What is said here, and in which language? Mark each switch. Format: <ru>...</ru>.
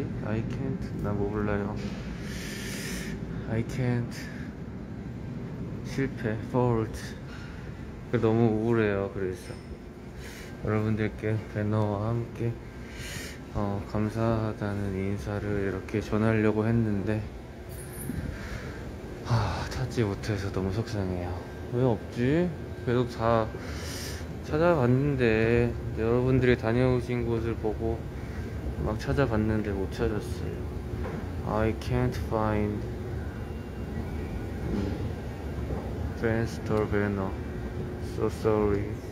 <en>I can't</en> <ko>나 뭐 몰라요.</ko> <en>I can't 실패, fault.</en> <ko>너무 우울해요. 그래서 여러분들께 배너와 함께 감사하다는 인사를 이렇게 전하려고 했는데 찾지 못해서 너무 속상해요. 왜 없지? 계속 다 찾아봤는데 여러분들이 다녀오신 곳을 보고 막 찾아봤는데 못 찾았어요.</ko> <en>I can't find Friends Store Banner. So sorry.</en>